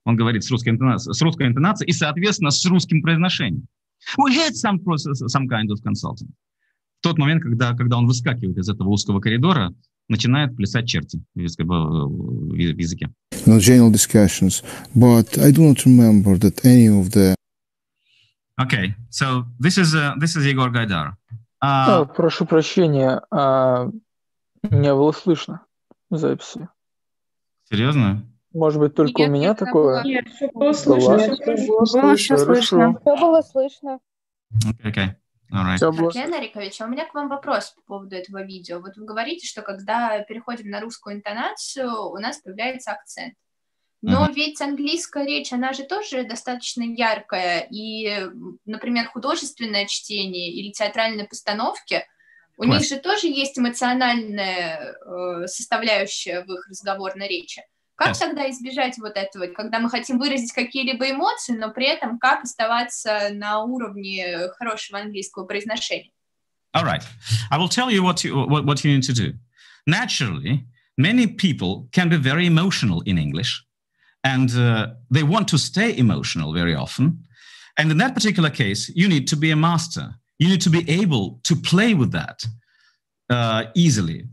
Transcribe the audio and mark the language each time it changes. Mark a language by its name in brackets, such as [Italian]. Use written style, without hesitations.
[Russian] Он говорит с русской интонацией и, соответственно, с русским произношением. [English] We had some kind of consultants. [Russian] В тот момент, когда он выскакивает из этого узкого коридора, начинает плясать черти в языке. [English] No general discussions, but I do not remember that any of the... Okay, so this is Егор Гайдар. [Russian] Прошу прощения, меня было слышно в записи. Серьезно? Может быть, только у меня такое? Нет, все было слышно. Все было слышно. [English] Okay. [Russian] Лена Рикович, у меня к вам вопрос по поводу этого видео. Вот вы говорите, что когда переходим на русскую интонацию, у нас появляется акцент. Но ведь английская речь, она же тоже достаточно яркая. И, например, художественное чтение или театральные постановки, у них же тоже есть эмоциональная составляющая в их разговорной речи. Как тогда избежать вот этого, когда мы хотим выразить какие-либо эмоции, но при этом как оставаться на уровне хорошего английского произношения? [English] All right. I will tell you what you need to do. Naturally, many people can be very emotional in English, and they want to stay emotional very often. And in that particular case, you need to be a master. You need to be able to play with that easily.